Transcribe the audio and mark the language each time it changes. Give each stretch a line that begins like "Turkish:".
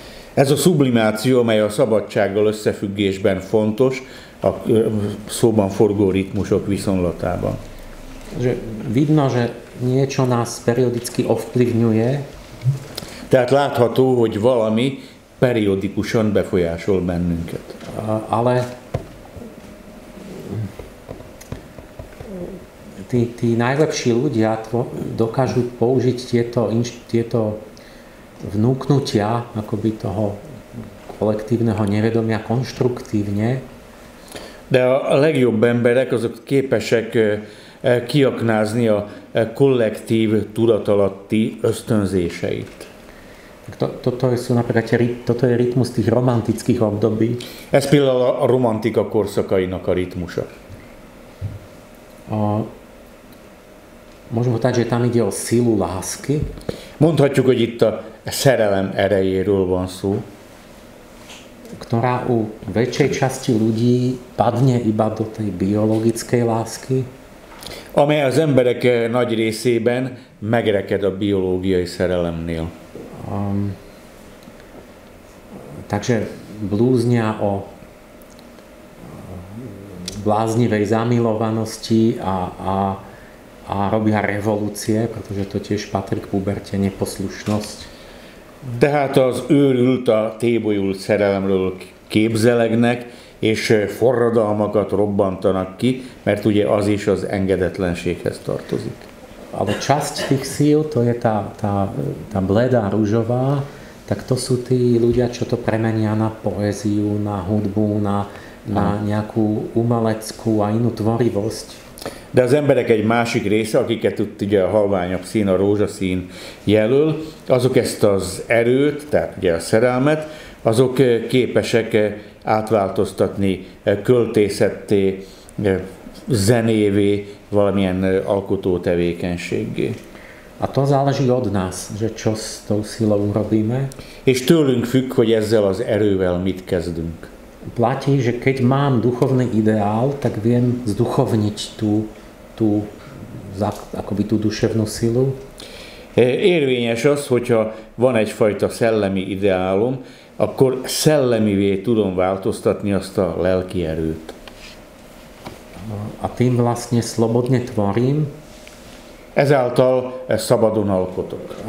Hungarian: Ez a sublimáció, amely a szabadsággal összefüggésben fontos, a szóban forgó ritmusok viszonylatában.
Slovak: Že vidno, že niečo nás periodicky ovplyvňuje.
Hungarian: Tehát látható, hogy valami periodikusan befolyásol bennünket.
Slovak: Ale tí najlepší ľudia dokážu použiť tieto vnúknutia akoby toho kolektívneho nevedomia konštruktívne.
Hungarian: De a legjobb emberek azok képesek kiaknázni a kollektív tudatalatti ösztönzéseit.
Slovak: Toto je rytmus tých romantických období.
Hungarian: Ez például a romantika korszakainak a rytmusa.
Slovak: Môžem povedať, že tam ide o silu lásky.
Hungarian: Mondhatjuk, hogy itt a szerelem erejéről van szó.
Slovak: Ktorá u väčšej časti ľudí padne iba do tej biologickej lásky.
Hungarian: Amely az emberek nagy részében megreked a biológiai szerelemnél.
Slovak: Takže blúznia o bláznivej zamilovanosti a robia revolúcie, pretože to tiež patrí k puberte, neposlušnosť.
Hungarian: Tehát az őrült, a tébolyult szerelemről képzelegnek, és forradalmakat robbantanak ki, mert ugye az is az engedetlenséghez tartozik.
Slovak: Ale časť tých síl, to je tá bledá rúžová, tak to sú tí ľudia, čo to premenia na poéziu, na hudbu, na nejakú umeleckú a inú tvorivosť.
Hungarian: De az emberek egy másik része, akiket ugye a halványabb szín, a rózsaszín jelöl, azok ezt az erőt, tehát ugye a szerelmet, azok képesek átváltoztatni költészetté, zenévé, valamilyen alkotó tevékenységgé.
Slovak: A to záleží od nás, že čo s tou silou robíme.
Hungarian: És tőlünk függ, hogy ezzel az erővel mit kezdünk.
Slovak: Platí, že keď mám duchovný ideál, tak viem zduchovniť tú duševnú silu.
Hungarian: Érvényes az, hogyha van egyfajta szellemi ideálom, akkor szellemivé tudom változtatni azt a lelki erőt.
Slovak: A tým vlastne slobodne tvorím.
Hungarian: Ezáltal szabadon alkotok.